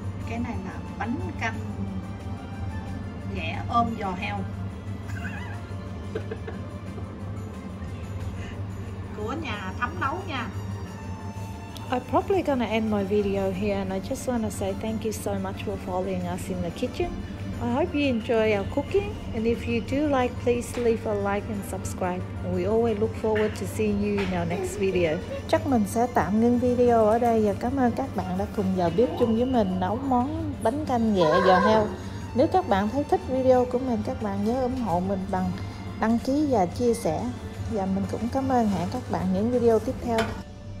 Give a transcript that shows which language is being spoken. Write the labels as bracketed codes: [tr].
[vi] Cái này là bánh canh ghẻ ôm giò heo của nhà Thắm nấu nha. [en] I'm probably gonna end my video here and I just wanna say thank you so much for following us in the kitchen. I hope you enjoy our cooking and if you do like, please leave a like and subscribe. We always look forward to seeing you in our next video. [vi] Chắc mình sẽ tạm ngưng video ở đây và cảm ơn các bạn đã cùng vào bếp chung với mình nấu món bánh canh ghẹ giò heo. Nếu các bạn thấy thích video của mình, các bạn nhớ ủng hộ mình bằng đăng ký và chia sẻ. Và mình cũng cảm ơn hẹn các bạn những video tiếp theo.